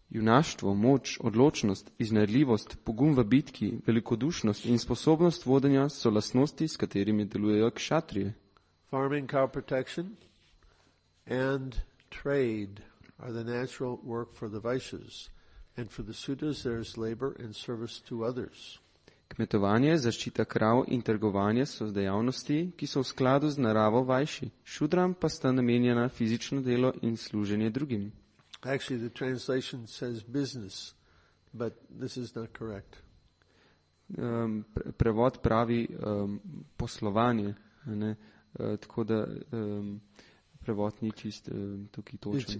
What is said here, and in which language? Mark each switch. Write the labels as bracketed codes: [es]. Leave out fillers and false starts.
[sl] Junaštvo, moč, odločnost, iznajdljivost, pogum v bitki, velikodušnost in sposobnost vodenja so lastnosti, s katerimi delujejo kshatrije. [en] Farming, cow protection and trade are the natural work for the Vaishyas, and for the Sudras there is labor and service to others. [sl] Kmetovanje, zaščita krav in trgovanje so dejavnosti, ki so v skladu z naravo Vaishi. Šudram pa sta namenjena fizično delo in služenje drugim. [en] Actually, the translation says business, but this is not correct. [sl] Prevod pravi poslovanje, ne? Tako da prevod ni čist tukaj točen.